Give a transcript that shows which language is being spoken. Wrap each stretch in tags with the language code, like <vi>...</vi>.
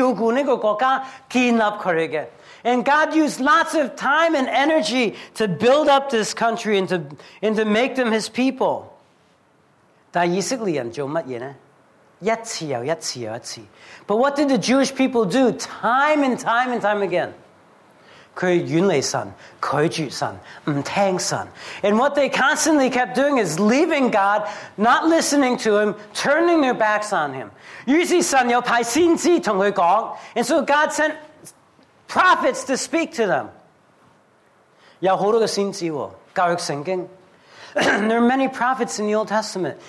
<zh>神是用很多的细心照顾这个国家建立它的</zh> <en>And God used lots of time and energy to build up this country and to make them his people.</en> <zh>但以色列人做什么呢?一次又一次又一次</zh> <en>But what did the Jewish people do time and time and time again?</en> <zh>他远离神,拒绝神,不听神</zh> <en>And what they constantly kept doing is leaving God, not listening to him, turning their backs on him.</en> <zh>于是神又派先知跟他讲,</zh> <en>And so God sent prophets to speak to them.</en> <zh>有很多的先知,教育圣经</zh> <en>There are many prophets in the Old Testament.</en>